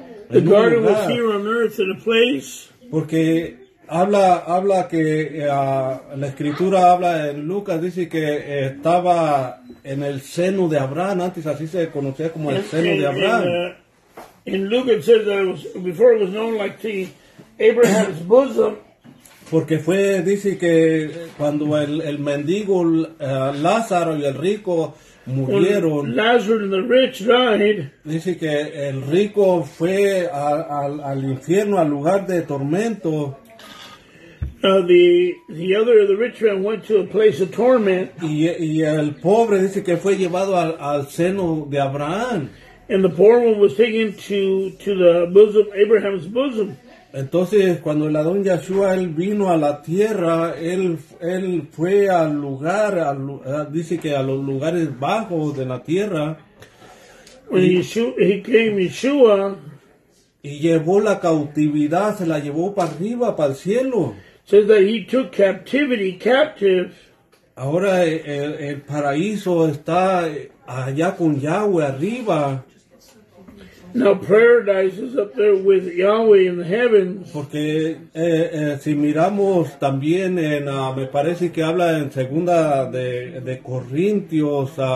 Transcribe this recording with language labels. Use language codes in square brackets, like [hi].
[en] The garden was here on earth in a place. [es] Porque habla que la escritura habla en Lucas, dice que estaba en el seno de Abraham, antes así se conocía como el seno de Abraham. [en] In Luke it says that it was, before it was known like the Abraham's bosom. [es] Porque fue, dice que cuando el mendigo Lázaro y el rico murieron. [en] When Lazarus and the rich died. [es] Dice que el rico fue al infierno, al lugar de tormento. [en] The other, the rich man, went to a place of torment. [es] Y el pobre dice que fue llevado al seno de Abraham. [en] And the poor one was taken to the bosom, Abraham's bosom. [es] Entonces, cuando el Adón Yahshua él vino a la tierra, él fue al lugar, dice que a los lugares bajos de la tierra. [en] When he came, Yeshua. [es] Y llevó la cautividad, se la llevó para arriba, para el cielo. [en] Says that he took captivity captive. [es] Ahora el paraíso está allá con Yahweh arriba. [en] Now paradise is up there with Yahweh in the heavens. [es] Porque si miramos también en, me parece que habla en segunda de Corintios,